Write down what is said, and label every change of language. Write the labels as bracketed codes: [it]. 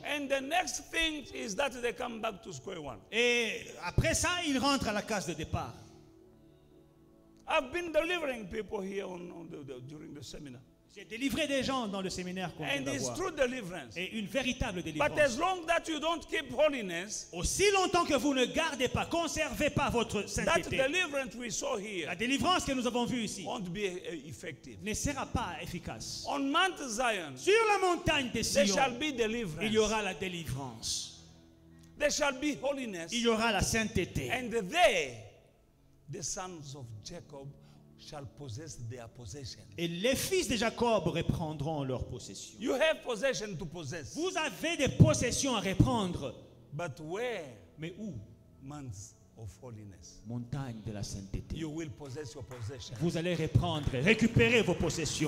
[en] And the next thing is that they come back to square one. [fr] Et après ça, ils rentrent à la case de départ. [en] I've been delivering people here during the seminar. [fr] J'ai délivré des gens dans le séminaire qu'on [en] and [fr] vient d'avoir. Et une véritable délivrance. [en] But as long that you don't keep holiness, [fr] aussi longtemps que vous ne gardez pas, conservez pas votre sainteté, [en] that deliverance we saw here, [fr] la délivrance que nous avons vue ici, [en] won't be effective, [fr] ne sera pas efficace. [en] On Mount Zion, [fr] sur la montagne de Sion, [en] there shall be deliverance. [fr] Il y aura la délivrance. [en] There shall be holiness. [fr] Il y aura la sainteté. [en] And there, the sons of Jacob shall possess their possession. [fr] Et les fils de Jacob reprendront leurs possessions. [en] You have possession to possess. [fr] Vous avez des possessions à reprendre. [en] But where? [fr] Mais où? [en] Mount of holiness. [fr] Montagne de la sainteté. [en] You will possess your possession. [fr] Vous allez reprendre, récupérer vos possessions.